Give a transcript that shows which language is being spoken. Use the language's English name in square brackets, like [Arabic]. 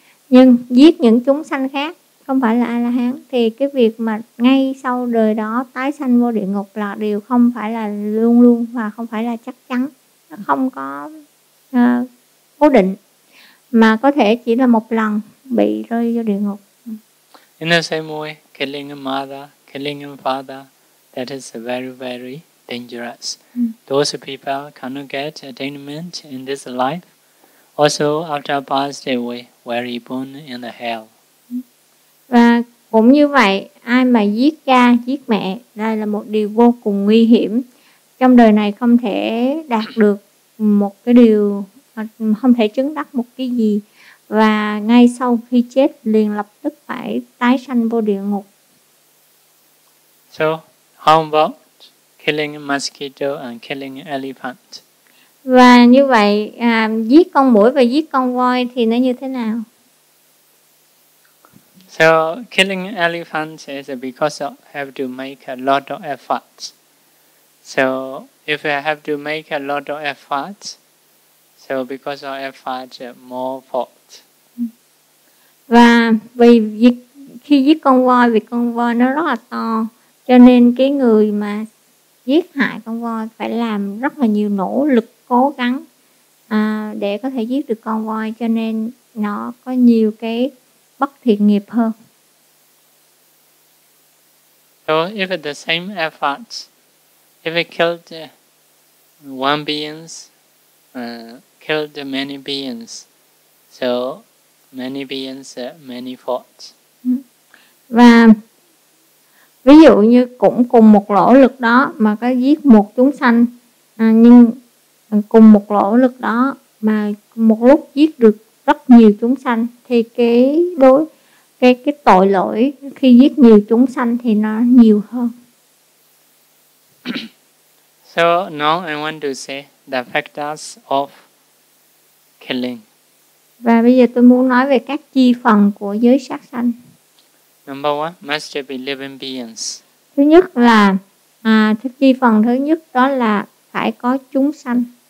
[Vietnamese] Nhưng giết những chúng sanh khác không phải là A-la-hán thì cái việc mà ngay sau đời đó tái sanh vô địa ngục là điều không phải là luôn luôn và không phải là chắc chắn. Nó không có cố định, mà có thể chỉ là một lần bị rơi vô địa ngục. [English] In the same way, killing a mother, killing a father, that is very, very dangerous. Those people cannot get attainment in this life. Also, after passed away, very born in the hell. [Vietnamese] Và cũng như vậy, ai mà giết cha, giết mẹ, đây là một điều vô cùng nguy hiểm. Trong đời này không thể đạt được một cái điều, không thể chứng đắc một cái gì. Và ngay sau khi chết, liền lập tức phải tái sanh vô địa ngục. [English] So, how about killing a mosquito and killing an elephant? [Vietnamese] Và như vậy, giết con muỗi và giết con voi thì nó như thế nào? [English] So, killing elephants is because you have to make a lot of efforts. So, if you have to make a lot of efforts, so because of efforts, more fault. [Vietnamese] Và vì khi giết con voi, vì con voi nó rất là to, cho nên cái người mà giết hại con voi phải làm rất là nhiều nỗ lực, cố gắng để có thể giết được con voi, cho nên nó có nhiều cái bất thiện nghiệp hơn. [English] So if the same effort, if we killed one beings, killed many beings, so many beings, many faults. [Vietnamese] Và ví dụ như cũng cùng một nỗ lực đó mà có giết một chúng sanh, nhưng cùng một nỗ lực đó mà một lúc giết được rất nhiều chúng sanh thì cái tội lỗi khi giết nhiều chúng sanh thì nó nhiều hơn. [English] So now I want to say the factors of killing. [Vietnamese] Và bây giờ tôi muốn nói về các chi phần của giới sát sanh. [English] Number one, must be living beings. [Vietnamese] Thứ nhất là chi phần thứ nhất đó là phải có chúng sanh.